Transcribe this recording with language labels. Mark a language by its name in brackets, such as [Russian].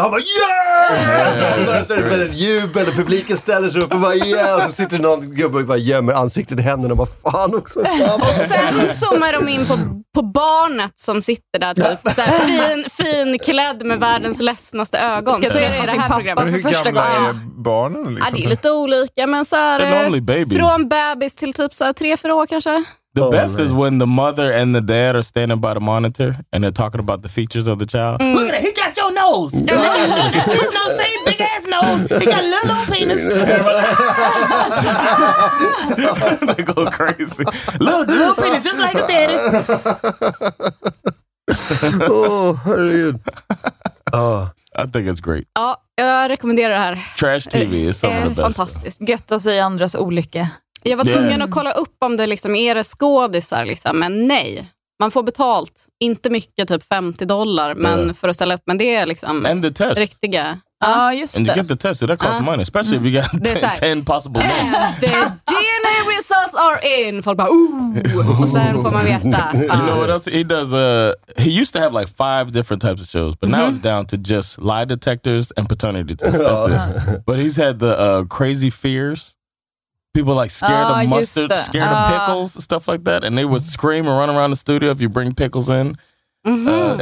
[Swedish] Han bara, yeah! Så är det jubel och publiken ställer sig upp och bara, yeah! Och så sitter någon gubbe och bara gömmer ansiktet i händerna och bara, fan också, fan. Och sen zoomar de in på barnet som sitter där typ så här fin klädd med världens ledsnaste ögon. Ska det här programmet för första gången. Hur gamla är barnen liksom? Ja, det är lite olika, men så här, från babys till typ så här 3-4 år kanske. [English] The best is when the mother and the dad are standing by the monitor and they're talking about the features of the child. Mm. Look at it, he got your nose. He got your nose. His nose, same big ass nose. He got a little old penis. They go crazy. Little penis, just like a daddy. [Swedish] Oh, herregud. [English] I think it's great. [Swedish] Ja, jag rekommenderar det här. [English] Trash TV är some of the best. [Swedish] Fantastiskt. Gött att säga andras olycka. Jag var tvungen att kolla upp om det liksom är det skådisar liksom, men nej. Man får betalt, inte mycket, typ $50, men för att ställa upp, men det är liksom riktiga. Ja, just [English] det. And you get the test, so that costs money, especially if you got 10 possible men. The DNA results are in. [Swedish] Folk bara, och sen får man veta. [English] You know what else? He does, he used to have like 5 different types of shows, but now it's down to just lie detectors and paternity tests. That's it. But he's had the crazy fears. People like scared of mustard, scared of pickles, stuff like that. And they would scream and run around the studio if you bring pickles in. Mm-hmm.